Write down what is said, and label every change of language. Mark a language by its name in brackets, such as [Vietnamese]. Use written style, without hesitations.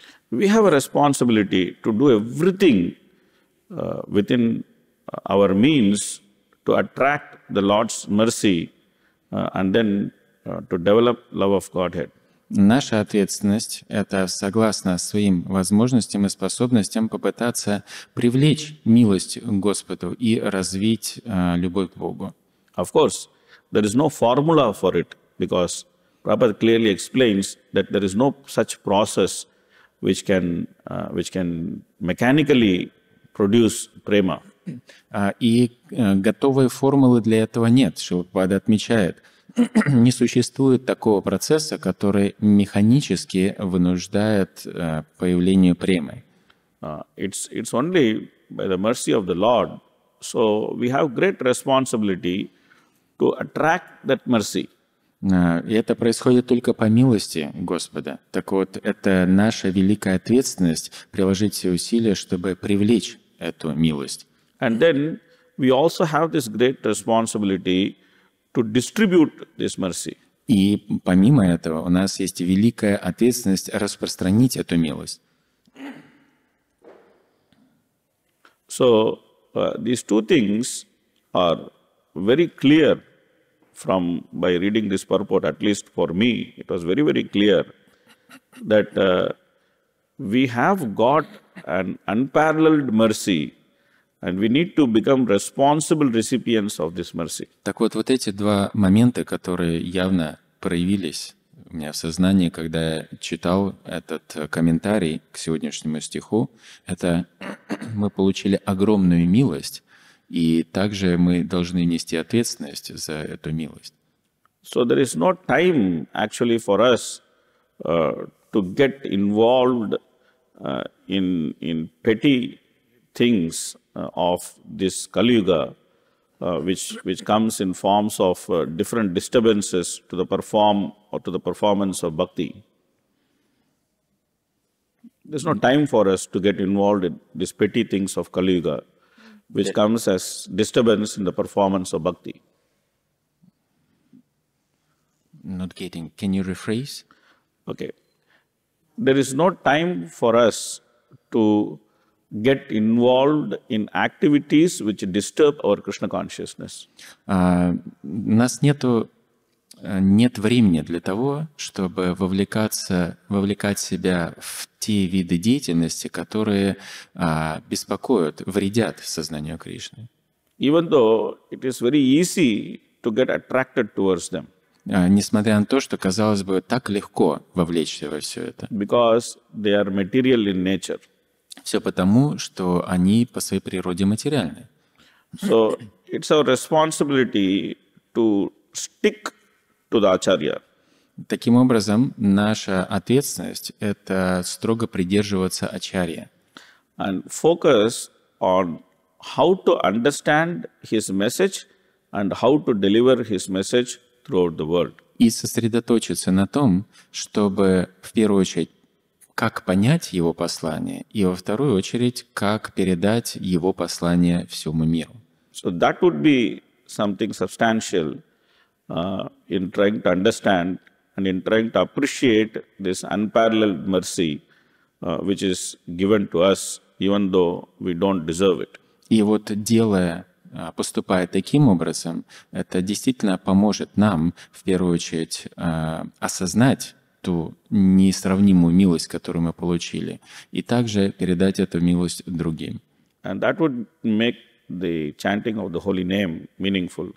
[English] We have a responsibility to do everything within our means to attract the Lord's mercy and then to develop love of Godhead. [Russian] Наша ответственность – это, согласно своим возможностям и способностям, попытаться привлечь милость к Господу и развить любовь к Богу. [English] Of course, there is no formula for it, because Prabhupada clearly explains that there is no such process which can mechanically produce prema. [Russian] И готовой формулы для этого нет, Шилпада отмечает. Не существует такого процесса, который механически вынуждает появлению премы. [English] It's only by the mercy of the Lord, so we have great responsibility to attract that mercy. [Russian] И это происходит только по милости Господа. Так вот, это наша великая ответственность приложить все усилия, чтобы привлечь эту милость. [English] And then we also have this great responsibility to distribute this mercy. [Russian] И помимо этого, у нас есть великая ответственность распространить эту милость. [English] So, these two things are very clear from by reading this purport, at least for me, it was very, very clear that we have got an unparalleled mercy and we need to become responsible recipients of this mercy. [Russian] Так вот, вот эти два момента, которые явно проявились у меня в сознании, когда я читал этот комментарий к сегодняшнему стиху, это мы получили огромную милость, и также мы должны нести ответственность за эту милость. [English] So there is no time actually for us to get involved in petty things of this Kaliyuga. Which comes in forms of different disturbances to the perform or to the performance of bhakti. There's no time for us to get involved in these petty things of Kali Yuga, which comes as disturbance in the performance of bhakti. Not getting. Can you rephrase? Okay. There is no time for us to get involved in activities which disturb our Krishna consciousness. [Russian] Нас нет времени для того, чтобы вовлекать себя в те виды деятельности, которые беспокоят, вредят сознанию Кришны. [English] Even though it is very easy to get attracted towards them. [Russian] Несмотря на то, что казалось бы так легко вовлечься во все это. [English] Because they are material in nature. [Russian] Все потому, что они по своей природе материальны. [English] So it's our responsibility to stick to the acharya. [Russian] Таким образом, наша ответственность — это строго придерживаться ачарьи. [English] And focus on how to understand his message and how to deliver his message throughout the world. [Russian] И сосредоточиться на том, чтобы в первую очередь как понять его послание, и во вторую очередь, как передать его послание всему миру. [English] So that would be something substantial in trying to understand and in trying to appreciate this unparalleled mercy which is given to us, even though we don't deserve it. [Russian] И вот делая, поступая таким образом, это действительно поможет нам, в первую очередь, осознать ту несравнимую милость, которую мы получили, и также передать эту милость другим. [English] And that would make the chanting of the holy name meaningful.